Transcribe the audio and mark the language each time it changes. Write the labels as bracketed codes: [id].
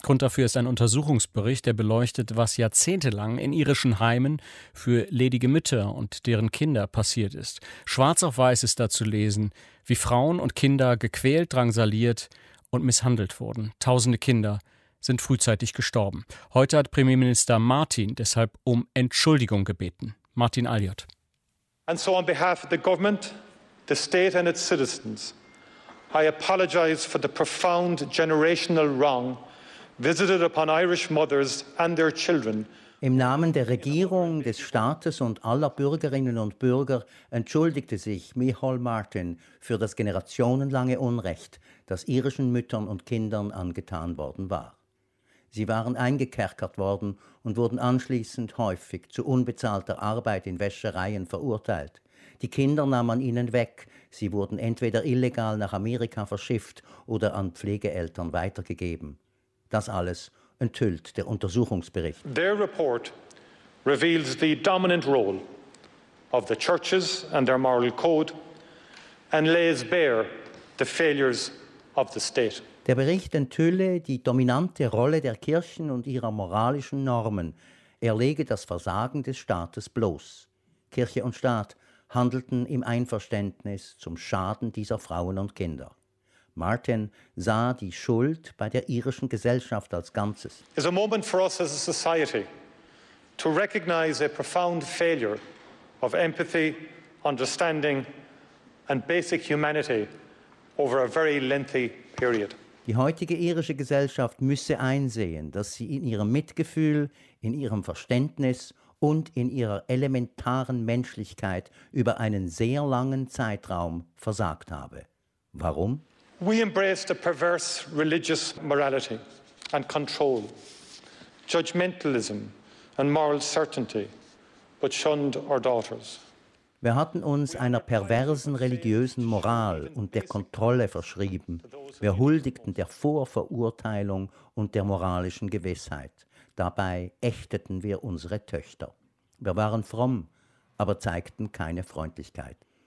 [de] Grund dafür ist ein Untersuchungsbericht, der beleuchtet, was jahrzehntelang in irischen Heimen für ledige Mütter und deren Kinder passiert ist. Schwarz auf weiß ist da zu lesen, wie Frauen und Kinder gequält, drangsaliert und misshandelt wurden. Tausende Kinder sind frühzeitig gestorben. Heute hat Premierminister Martin deshalb um Entschuldigung gebeten. Martin Aliot. [en] And so on behalf of the government, the state and its citizens, I apologize for the profound generational wrong visited upon Irish mothers and their children. [de] Im Namen der Regierung, des Staates und aller Bürgerinnen und Bürger entschuldigte sich Micheál Martin für das generationenlange Unrecht, das irischen Müttern und Kindern angetan worden war. Sie waren eingekerkert worden und wurden anschließend häufig zu unbezahlter Arbeit in Wäschereien verurteilt. Die Kinder nahm man ihnen weg. Sie wurden entweder illegal nach Amerika verschifft oder an Pflegeeltern weitergegeben. Das alles enthüllt der Untersuchungsbericht. [en] Their report reveals the dominant role of the churches and their moral code and lays bare the failures of the state. [de] Der Bericht enthülle die dominante Rolle der Kirchen und ihrer moralischen Normen. Er lege das Versagen des Staates bloß. Kirche und Staat handelten im Einverständnis zum Schaden dieser Frauen und Kinder. Martin sah die Schuld bei der irischen Gesellschaft als Ganzes. Es ist ein Moment für uns als Gesellschaft, um eine profunde Failure von Empathie, Verständnis und basischer Humanität über eine sehr lange Zeit. Die heutige irische Gesellschaft müsse einsehen, dass sie in ihrem Mitgefühl, in ihrem Verständnis und in ihrer elementaren Menschlichkeit über einen sehr langen Zeitraum versagt habe. Warum? [en] We embraced a perverse religious morality and control, judgmentalism and moral certainty, but shunned our daughters. [de] Wir hatten uns einer perversen religiösen Moral und der Kontrolle verschrieben. Wir huldigten der Vorverurteilung und der moralischen Gewissheit. Dabei ächteten wir unsere Töchter. Wir waren fromm, aber zeigten keine Freundlichkeit.